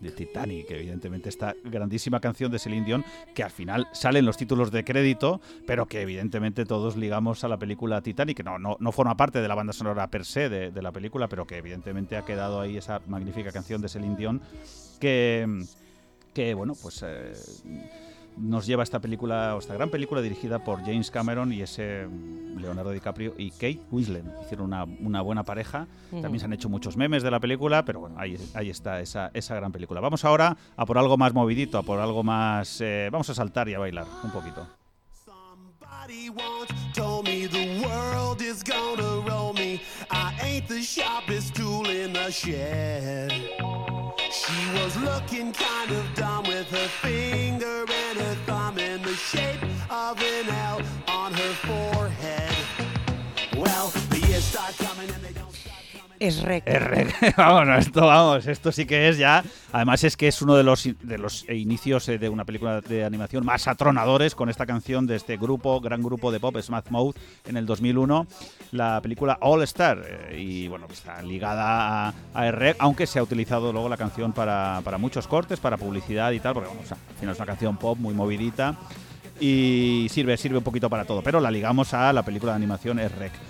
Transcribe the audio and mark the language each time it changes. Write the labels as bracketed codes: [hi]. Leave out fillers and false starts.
[es] De Titanic, evidentemente, esta grandísima canción de Celine Dion, que al final sale en los títulos de crédito, pero que evidentemente todos ligamos a la película Titanic, que no forma parte de la banda sonora per se de la película, pero que evidentemente ha quedado ahí esa magnífica canción de Celine Dion, que bueno, pues nos lleva a esta película, o esta gran película dirigida por James Cameron y ese Leonardo DiCaprio y Kate Winslet. Hicieron una buena pareja. También se han hecho muchos memes de la película, pero bueno, ahí está esa gran película. Vamos ahora a por algo más movidito, a por algo más... vamos a saltar y a bailar un poquito. [en] Somebody once told me the world is gonna roll me. I ain't the sharpest tool in the shed. She was looking kind of dumb with her finger and her thumb in the shape of an L on her forehead. Well, the years start coming and they don't... [es] Es rec. Vámonos, esto sí que es ya. Además es que es uno de los inicios de una película de animación más atronadores con esta canción de este grupo, gran grupo de pop, Smash Mouth, en el 2001, la película All Star. Y bueno, está ligada a Rec, aunque se ha utilizado luego la canción para muchos cortes, para publicidad y tal, porque bueno, o sea, al final es una canción pop muy movidita y sirve un poquito para todo, pero la ligamos a la película de animación Rec.